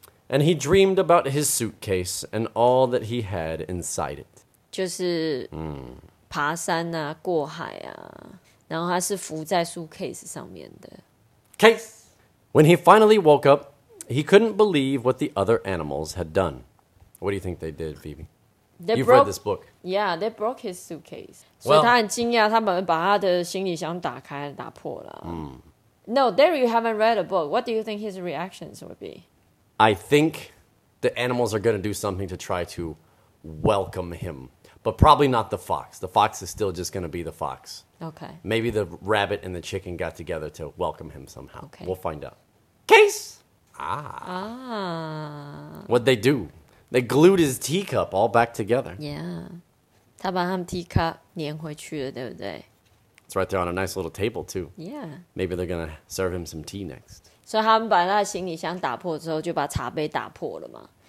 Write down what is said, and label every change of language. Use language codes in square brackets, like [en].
[en] And he dreamed about his suitcase and all that he had inside it. [zh] 就是爬山啊，过海啊，然后他是浮在 suitcase 上面的。 [en] Case! When he finally woke up, he couldn't believe what the other animals had done. What do you think they did, Phoebe? You've read this book. Yeah, they broke his suitcase. [zh] 所以他很惊讶，他们把他的行李箱打开，打破了。 [en] No, there you haven't read a book. What do you think his reactions would be? I think the animals are going to do something to try to welcome him, but probably not the fox. The fox is still just going to be the fox. Okay. Maybe the rabbit and the chicken got together to welcome him somehow. Okay. We'll find out. Case! What'd they do? They glued his teacup all back together. [zh] Yeah. 他把他们 teacup 粘回去了，对不对? [en] It's right there on a nice little table, too. Yeah. Maybe they're going to serve him some tea next. [zh] 所以他们把那个行李箱打破之后就把茶杯打破了嘛。